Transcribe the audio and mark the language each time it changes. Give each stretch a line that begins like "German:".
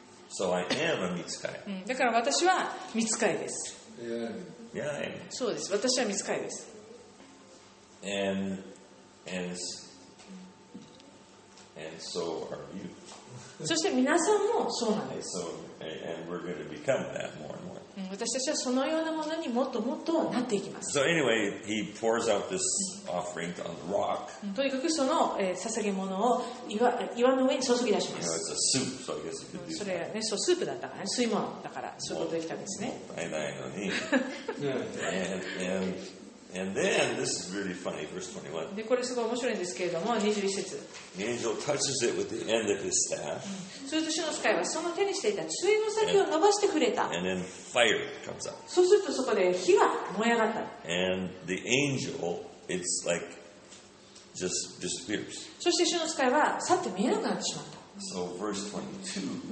English: So I am a 御使い。
Japanese: だから私は御使いです。
English: Yeah. Yeah,
Japanese: そうです。私は御使いです。
English: And so are you.
Japanese: そして皆さんもそうなんです。
English: So, and we're going to become that more and more.
Japanese: 私たちはそのようなものにもっともっとなっていきます。
English: So anyway, he pours out this offering on the rock.
Japanese: とにかくその捧げ物を岩の上に注ぎ出します。
English: You know, it's a soup, so I guess you could do
Japanese: それはね、そうスープだったからね、水物だからそういうことができたんですね。もったいないのに。
English: And then this is really funny, verse 21.
Japanese: でこれすごい面白いんですけれども、21節。
English: The angel touches it with the end of his staff.
Japanese: すると主の使いはその手にしていた杖の先を伸ばして触れた。
English: And then fire comes up.
Japanese: そうするとそこで火が燃え上がった。
English: And the angel, it's like just disappears.
Japanese: そして主の使いは去って見えなくなってしまった。
English: So verse 22.